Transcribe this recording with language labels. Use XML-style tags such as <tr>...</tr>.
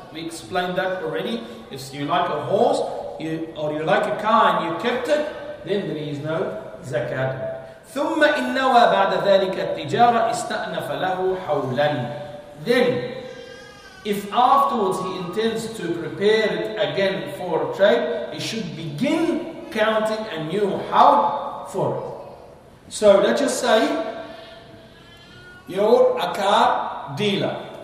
<en>We explained that already. If you like a horse or you like a car and you kept it, then there is no zakat.</en> <ar>ثم إن نوى بعد ذلك التجارة استأنف له حولا.</ar> <en>Then, if afterwards he intends to prepare it again for trade, he should begin counting a new حول for it. So let's just say, you're a car dealer.</en>